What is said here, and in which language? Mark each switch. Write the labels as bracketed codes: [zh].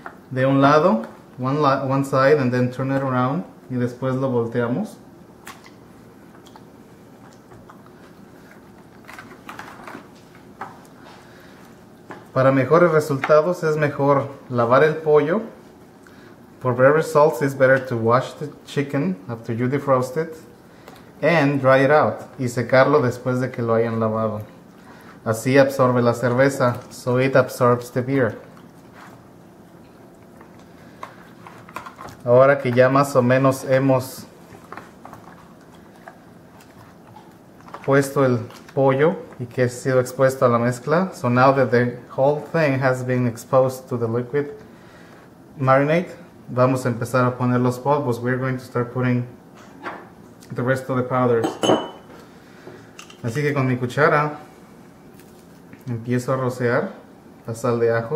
[es] De un lado, [en] one side, and then turn it around. [es] Y después lo volteamos. Para mejores resultados es mejor lavar el pollo. [en] For better results, it's better to wash the chicken after you defrost it and dry it out. [es] Y secarlo después de que lo hayan lavado. Así absorbe la cerveza, [en] so it absorbs the beer. [es] Ahora que ya más o menos hemos puesto el pollo y que ha sido expuesto a la mezcla. [en] So now that the whole thing has been exposed to the liquid marinade, [es] vamos a empezar a poner los polvos. [en] We're going to start putting the rest of the powders. [es] Así que con mi cuchara empiezo a rociar la sal de ajo.